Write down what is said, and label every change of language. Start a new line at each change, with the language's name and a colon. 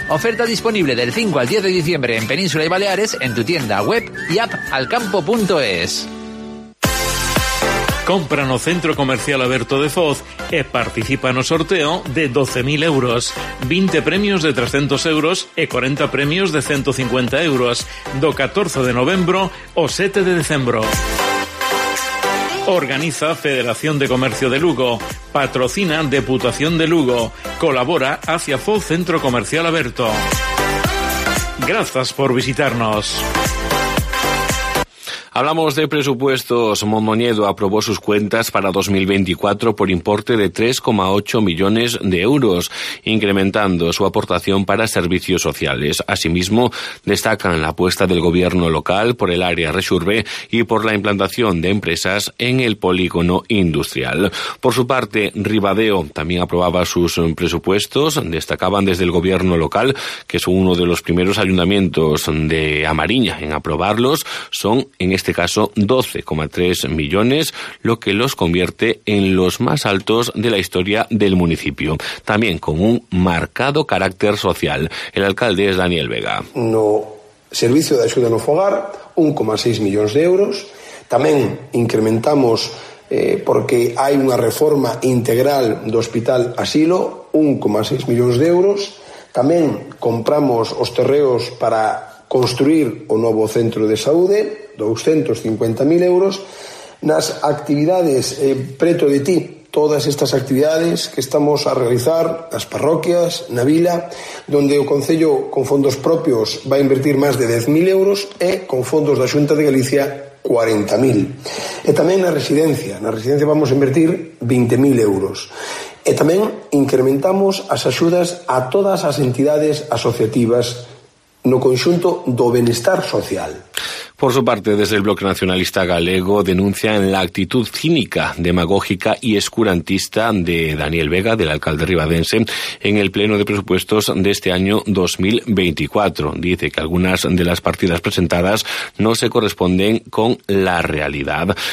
Spanish: Oferta disponible del 5 al 10 de diciembre en Península y Baleares, en tu tienda web y app alcampo.es.
Galician: Compra no Centro Comercial Aberto de Foz e participa no sorteo de 12.000 euros. 20 premios de 300 euros e 40 premios de 150 euros. Do 14 de novembro o 7 de decembro. Organiza Federación de Comercio de Lugo. Patrocina Deputación de Lugo. Colabora hacia Foz Centro Comercial Aberto.
Spanish: Gracias por visitarnos. Hablamos de presupuestos. Mondoñedo aprobó sus cuentas para 2024 por importe de 3,8 millones de euros, incrementando su aportación para servicios sociales. Asimismo, destacan la apuesta del gobierno local por el área Rexurbe y por la implantación de empresas en el polígono industrial. Por su parte, Ribadeo también aprobaba sus presupuestos. Destacaban desde el gobierno local, que es uno de los primeros ayuntamientos de Amariña en aprobarlos, son en este caso 12,3 millones, lo que los convierte en los más altos de la historia del municipio, también con un marcado carácter social. El alcalde es Daniel Vega.
Galician: No servicio de axuda no fogar, 1,6 millóns de euros. Tamén incrementamos, porque hai unha reforma integral do hospital Asilo, 1,6 millóns de euros. Tamén compramos os terreos para construir o novo centro de saúde, 250.000 euros. Nas actividades preto de ti, todas estas actividades que estamos a realizar, as parroquias, na vila, donde o Concello con fondos propios vai invertir máis de 10.000 euros e con fondos da Xunta de Galicia 40.000. E tamén na residencia vamos a invertir 20.000 euros. E tamén incrementamos as axudas a todas as entidades asociativas no conxunto do benestar social.
Spanish: Por su parte, desde el Bloque Nacionalista Galego denuncian la actitud cínica, demagógica y escurantista de Daniel Vega, del alcalde ribadense, en el pleno de presupuestos de este año 2024. Dice que algunas de las partidas presentadas no se corresponden con la realidad.